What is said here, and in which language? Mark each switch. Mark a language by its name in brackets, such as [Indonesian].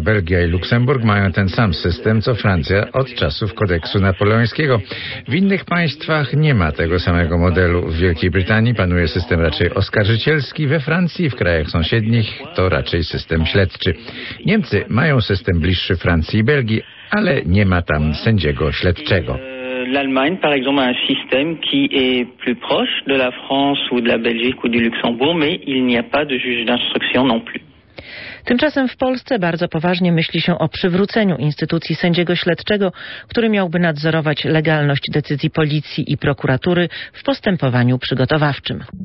[Polish] Belgia i Luksemburg mają ten sam system, co Francja od czasów kodeksu napoleońskiego. W innych państwach nie ma tego samego modelu. W Wielkiej Brytanii panuje system raczej oskarżycielski, we Francji i w krajach sąsiednich to raczej system śledczy. Niemcy mają system bliższy Francji i Belgii, ale nie ma tam sędziego śledczego. [French] L'Allemagne, par exemple, a un système qui est plus proche de la France ou de la Belgique ou du Luxembourg, mais il n'y a pas de juge d'instruction non plus. [Polish] Tymczasem w Polsce bardzo poważnie myśli się o przywróceniu instytucji sędziego śledczego, który miałby nadzorować legalność decyzji policji i prokuratury w postępowaniu przygotowawczym.